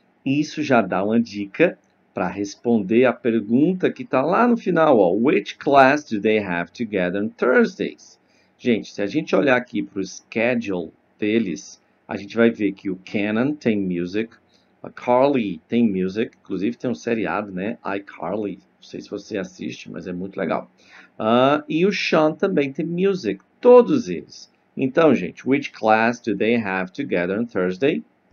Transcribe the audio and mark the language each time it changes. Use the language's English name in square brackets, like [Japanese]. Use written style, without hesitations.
[Portuguese] Isso já dá uma dica para responder a pergunta que está lá no final, ó. [English] Which class do they have together on Thursdays? [Portuguese] Gente, se a gente olhar aqui para o schedule deles, a gente vai ver que o Kenan tem music, a Carly tem music, inclusive tem um seriado, né? iCarly, não sei se você assiste, mas é muito legal. E o Sean também tem music, todos eles. Então, gente, [English] which class do they have together on Thursday?